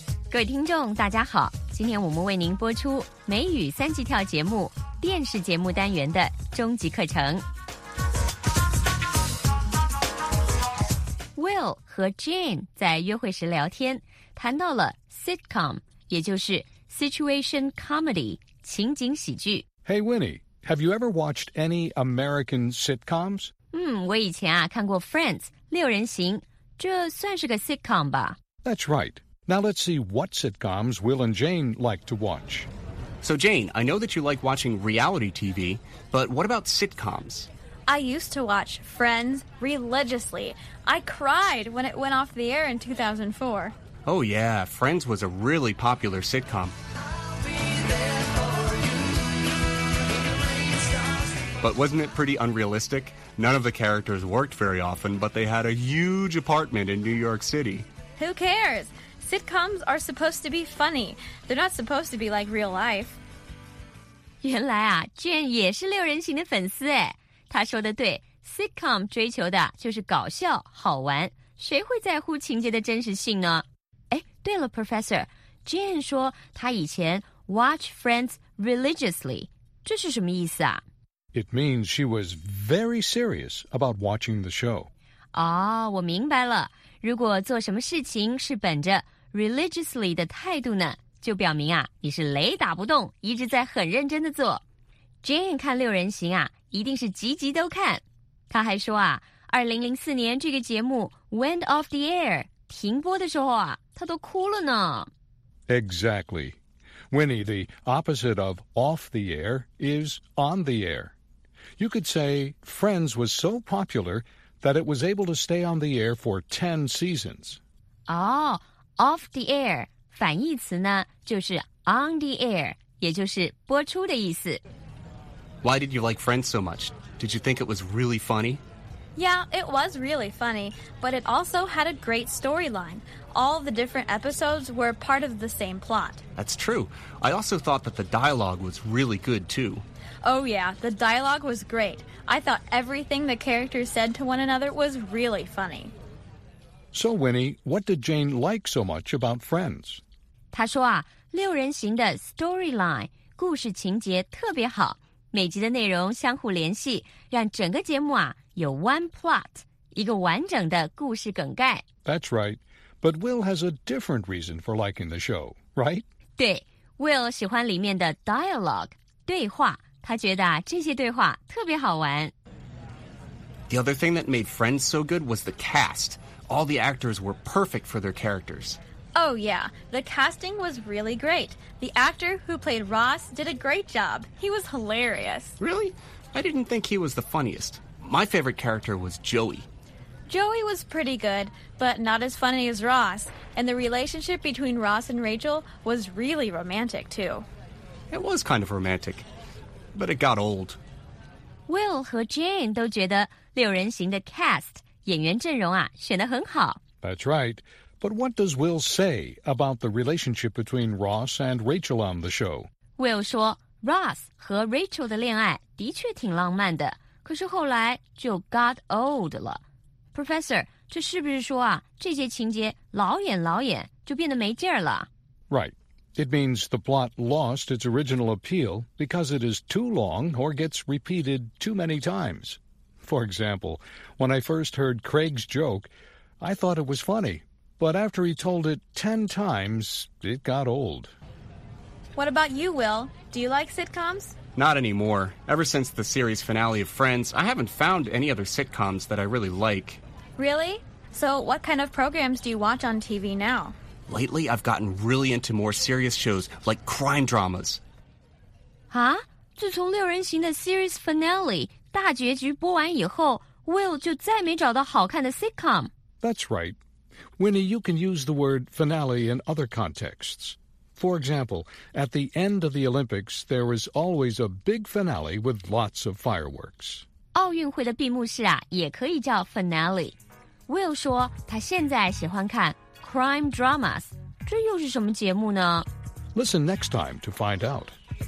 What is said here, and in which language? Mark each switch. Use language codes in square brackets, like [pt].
[zh] 各位听众大家好，今天我们为您播出美语三级跳节目电视节目单元的终极课程。 Will 和 Jane 在约会时聊天，谈到了 sitcom， 也就是 situation comedy， 情景喜剧。 [en] Hey Winnie, have you ever watched any American sitcoms? [zh] 我以前啊看过 Friends， 六人行，这算是个 sitcom 吧？ [en] That's right. Now let's see what sitcoms Will and Jane like to watch. So Jane, I know that you like watching reality TV, but what about sitcoms? I used to watch Friends religiously. I cried when it went off the air in 2004. Oh yeah, Friends was a really popular sitcom. But wasn't it pretty unrealistic? None of the characters worked very often, but they had a huge apartment in New York City. Who cares? Sitcoms are supposed to be funny. They're not supposed to be like real life. [zh] 原来啊 ，Jane 也是六人行的粉丝哎。他说的对 ，sitcom 追求的就是搞笑好玩，谁会在乎情节的真实性呢？哎，对了 ，Professor Jane 说他以前 [en] watch Friends religiously， [zh] 这是什么意思啊 [en] ？It means she was very serious about watching the show. [zh] 哦，我明白了。如果做什么事情是本着 religiously 的态度呢，就表明啊你是雷打不动，一直在很认真的做。 Jane 看六人行啊。一定是集集都看。他还说啊，2004年这个节目 [en] went off the air [zh] 停播的时候啊，他都哭了呢。 [en] Exactly, Winnie. The opposite of off the air is on the air. You could say Friends was so popular that it was able to stay on the air for 10 seasons. [zh] Oh, [en] off the air [zh] 反义词呢，就是 [en] on the air， [zh] 也就是播出的意思。 [en] Why did you like Friends so much? Did you think it was really funny? Yeah, it was really funny, but it also had a great storyline. All the different episodes were part of the same plot. That's true. I also thought that the dialogue was really good, too. Oh, yeah, the dialogue was great. I thought everything the characters said to one another was really funny. So, Winnie, what did Jane like so much about Friends? [zh] 她说啊，六人行的 storyline, 故事情节特别好。每集的内容相互联系，让整个节目啊有 one plot， 一个完整的故事梗概。 [en] That's right, but Will has a different reason for liking the show, right? [zh] 对 ，Will 喜欢里面的 dialogue 对话，他觉得啊这些对话特别好玩。 [en] The other thing that made Friends so good was the cast. All the actors were perfect for their characters. Oh yeah, the casting was really great. The actor who played Ross did a great job. He was hilarious. Really? I didn't think he was the funniest. My favorite character was Joey. Joey was pretty good, but not as funny as Ross. And the relationship between Ross and Rachel was really romantic, too. It was kind of romantic, but it got old. [zh] Will 和 Jane 都觉得六人行的 cast, 演员阵容啊选得很好。 [en] That's right. But what does Will say about the relationship between Ross and Rachel on the show? [zh] Will 说 Ross 和 Rachel 的恋爱的确挺浪漫的，可是后来就 [en] got old [zh] 了。 Professor, 这是不是说啊，这些情节老演老演就变得没劲了？ [en] Right. It means the plot lost its original appeal because it is too long or gets repeated too many times. For example, when I first heard Craig's joke, I thought it was funny. But after he told it 10 times, it got old. What about you, Will? Do you like sitcoms? Not anymore. Ever since the series finale of Friends, I haven't found any other sitcoms that I really like. Really? So what kind of programs do you watch on TV now? Lately, I've gotten really into more serious shows, like crime dramas. Huh? [zh] 自从六人行的 series finale, 大结局播完以后 ,Will 就再没找到好看的 sitcom. [en] That's right. Winnie, you can use the word finale in other contexts. For example, at the end of the Olympics, there is always a big finale with lots of fireworks. [zh] 奥运会的闭幕式啊，也可以叫 finale. Will 说他现在喜欢看 crime dramas. 这又是什么节目呢？ [en] Listen next time to find out.